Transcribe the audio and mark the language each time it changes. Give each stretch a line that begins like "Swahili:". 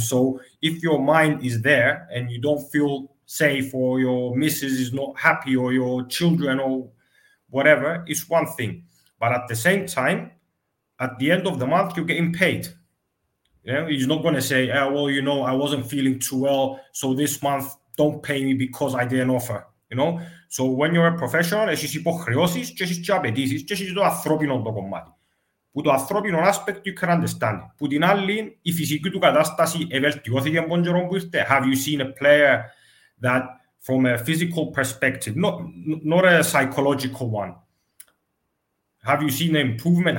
English: So if your mind is there and you don't feel safe or your missus is not happy or your children or whatever, it's one thing. But at the same time, at the end of the month, you're getting paid. Yeah, he's not going to say, oh, well, you know, I wasn't feeling too well, so this month, don't pay me because I didn't offer. You know, so when you're a professional,
Greek: έχεις υποχρεώσεις και έχεις απαιτήσεις και έχεις το ανθρώπινο το κομμάτι. Που το ανθρώπινο
English: aspect you can understand.
Greek: Που την άλλη, η φυσική του κατάσταση ευελτιώθηκε από τον καιρό που ήρθε.
English: Have you seen a player that, from a physical perspective, not a psychological one, have you seen an improvement?